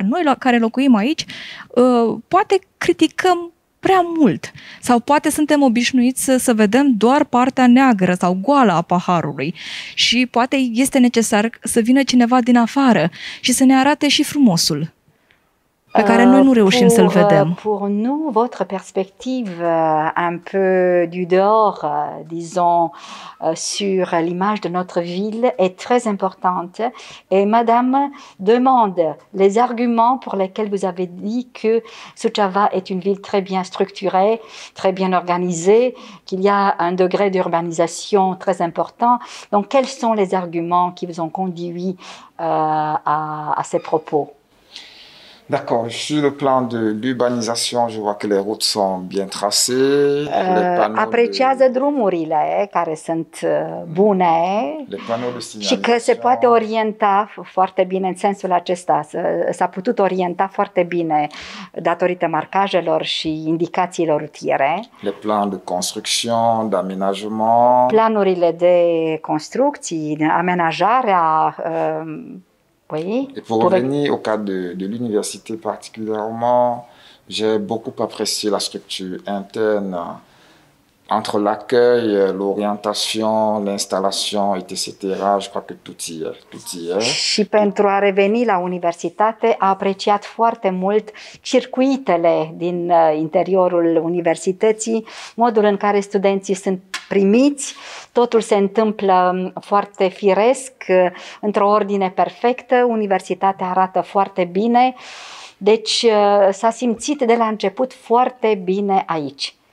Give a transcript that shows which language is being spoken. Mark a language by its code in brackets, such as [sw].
[ro] Noi, care locuim aici, poate criticăm prea mult. Sau poate suntem obișnuiți să vedem doar partea neagră sau goală a paharului. Și poate este necesar să vină cineva din afară și să ne arate și frumosul pe care noi nu reușim să-l vedem. [fr] Pour nous, votre perspective un peu du dehors, disons, sur l'image de notre ville est très importante. Et madame demande les arguments pour lesquels vous avez dit que Suceava est une ville très bien structurée, très bien organisée, qu'il y a un degré d'urbanisation très important. Donc, quels sont les arguments qui vous ont conduit à ces propos? D'accord, sur le plan de l'urbanisation, je vois que les routes sont bien tracées, [ro] apreciază drumurile care sunt bune. [fr] Les panneaux de signalisation. [ro] Și că se poate orienta foarte bine în sensul acesta, s-a putut orienta foarte bine datorită marcajelor și indicațiilor rutiere. [fr] Les plans de construction, d'aménagement. [ro] Planurile de construcții, amenajarea Oui. [fr] Et pour revenir au cadre de l'université particulièrement, j'ai beaucoup apprécié la structure interne entre l'accueil, l'orientation, l'installation, etc. Je crois que tout y est. [ro] Și pentru a reveni la universitate, a apreciat foarte mult circuitele din interiorul universității, modul în care studenții sunt primiți, totul se întâmplă foarte firesc, într-o ordine perfectă, universitatea arată foarte bine, deci s-a simțit de la început foarte bine aici.